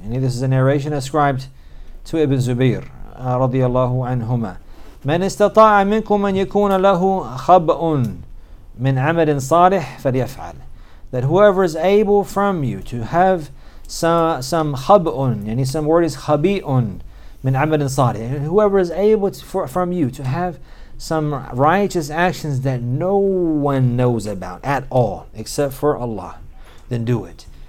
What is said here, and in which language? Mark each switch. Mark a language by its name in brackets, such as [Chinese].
[English] This is a narration ascribed to Ibn Zubayr radiyallahu anhuma. [Arabic] من استطاع منكم أن يكون له خبأ من عمل صالح فليفعل. [English] That whoever is able from you to have some خبأ, يعني some word is [Arabic] خبيء من عمل صالح. [English] Whoever is able from you to have some righteous actions that no one knows about at all, except for Allah, then do it.